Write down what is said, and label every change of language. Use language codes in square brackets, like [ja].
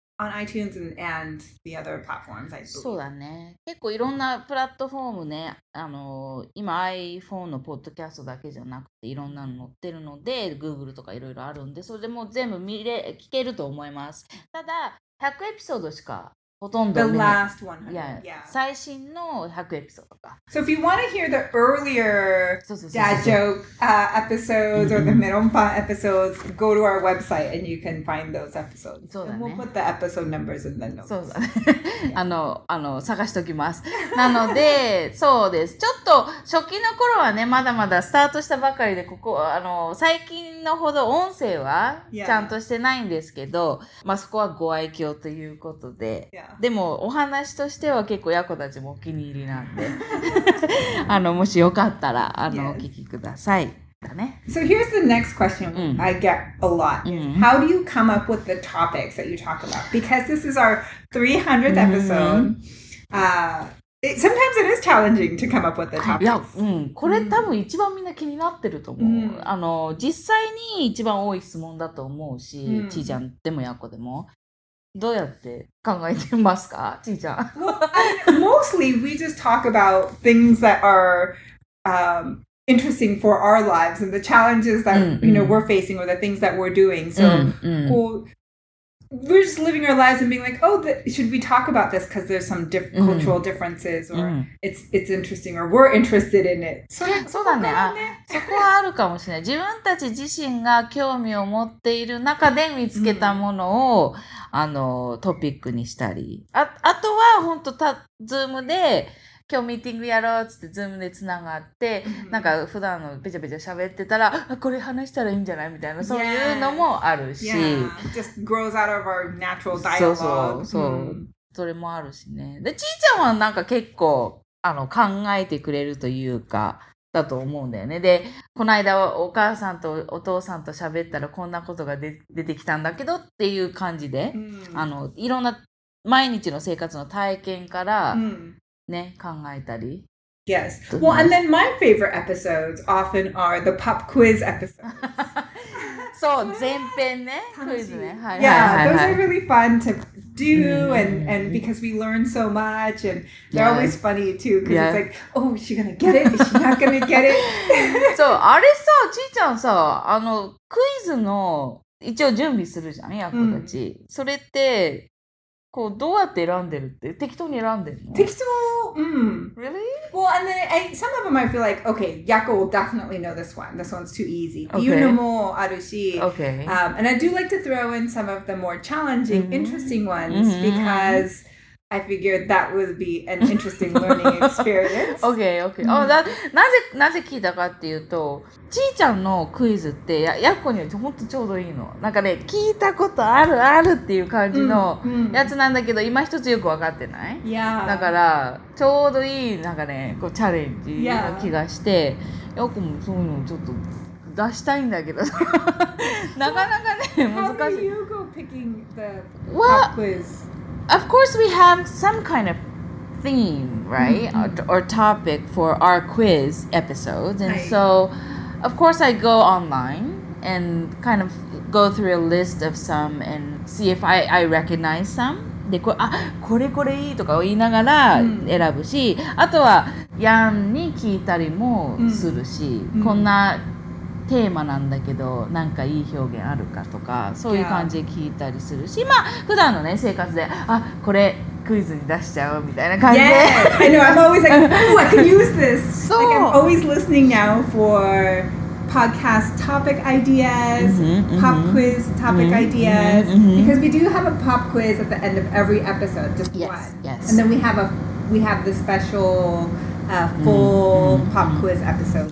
[en] On iTunes and the other platforms, I believe. [ja] そうだね。結構いろんなプラットフォームね、今 iPhone のポッドキャストだけじゃなくていろんなの載ってるので、Google とかいろいろあるんで、それでもう全部聞けると思います。ただ、100エピソードしかほとんど見ない。 [en] The last 100. Yeah. Yeah. [ja] 最新の100エピソードか。 [en] So if you want to hear the earlier dad joke episodes or the meronpa episodes, go to our website and you can find those episodes. [ja] そうだね。 And we'll put the episode numbers in the notes. そうだね。探しときます。なので、そうです。ちょっと初期の頃はね、まだまだスタートしたばかりで、ここ、最近のほど音声はちゃんとしてないんですけど、まあそこはご愛嬌ということで、 [en] Yeah. [ja] でもお話としては結構ヤコたちもお気に入りなんでもしよかったら [en] yes. [ja] お聞きくださいだね。 [en] So here's the next question I get a lot. How do you come up with the topics that you talk about? Because this is our 300th episode. Sometimes it is challenging to come up with the topics. [ja] いや、これ多分一番みんな気になってると思う。実際に一番多い質問だと思うし、ちーちゃんでもヤコでも。どうやって考えてますか、ちーちゃん。 [en] Well, mostly we just talk about things that are interesting for our lives and the challenges that you know we're facing or the things that we're doing. So we're just living our lives and being like, oh, should we talk about this because there's some cultural differences or it's interesting or we're interested in it. [ja] そうだね。そこはあるかもしれない。自分たち自身が興味を持っている中で見つけたものを、トピックにしたり。あとは、本当、Zoomで、今日ミーティングやろうつってズームでつながって、なんか普段のペチャペチャ喋ってたら、これ話したらいいんじゃないみたいな、そういうのもあるし。 [en] Yeah. Just grows out of our natural dialogue. [ja] そうそう、そう。それもあるしね。で、ちーちゃんはなんか結構、考えてくれるというか、だと思うんだよね。で、この間はお母さんとお父さんと喋ったらこんなことが出てきたんだけどっていう感じで、いろんな毎日の生活の体験から、ね、考えたり。 [en] Yes. Well, and then my favorite episodes often are the pop quiz episodes. [ja] そう、前編ね。クイズね。はい。 [en] Yeah, those are really fun to do, and because we learn so much, and they're always funny too, because it's like, oh, is she gonna get it? Is she not gonna get it? [ja] そう、あれさ、ちーちゃんさ、クイズの一応準備するじゃん、役たち。それって、こうどうやって選んでるって適当に選んでるの？適当、 [en] Really? Well, and then some of them I feel like, okay, Yakko will definitely know this one. This one's too easy. Okay. You know [ja] もあるし。 [en] Okay. And I do like to throw in some of the more challenging, interesting ones because I figured that would be an interesting learning experience. okay, okay. Oh, that, [ja] なぜ聞いたかっていうと、ちーちゃんのクイズってやっこにはほんとちょうどいいの。なんかね、聞いたことあるあるっていう感じのやつなんだけど、今一つよくわかってない [en] Yeah. [ja] だから、ちょうどいいなんかね、こうチャレンジな気がして、よくもそういうのちょっと出したいんだけど、なかなかね、難しい。 [en] How do you go picking the pop quiz? Of course, we have some kind of theme, right, or topic for our quiz episodes, and so of course, I go online and kind of go through a list of some and see if I recognize some. [ja] で、これ、あ、これこれいいとかを言いながら選ぶし、うん、あとはヤンに聞いたりもするし、うん、こんなテーマなんだけど、なんかいい表現あるかとか、そういう感じで聞いたりするし、まあ、普段のね、生活で、あ、これクイズに出しちゃうみたいな感じで。 [en] Yeah, I know, I'm always like, oh, I can use this. So, like, I'm always listening now for... podcast topic ideas, mm-hmm, pop quiz topic mm-hmm, ideas, mm-hmm. because we do have a pop quiz at the end of every episode, just yes, one. Yes. And then we have the special full mm-hmm, pop mm-hmm. quiz episode